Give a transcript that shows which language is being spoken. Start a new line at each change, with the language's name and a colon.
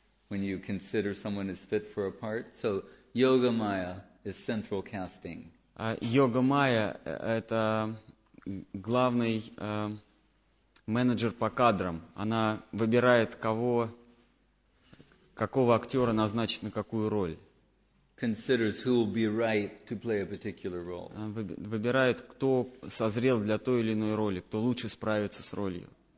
English: When you consider someone is fit for a part? So yoga maya is central casting.
Russian: Йога майя – это главный менеджер по кадрам. Она выбирает, какого актера назначить на какую роль.
English: Considers who will be right to play a particular role.
Russian: Она выбирает, кто созрел для той или иной роли, кто лучше справится с ролью.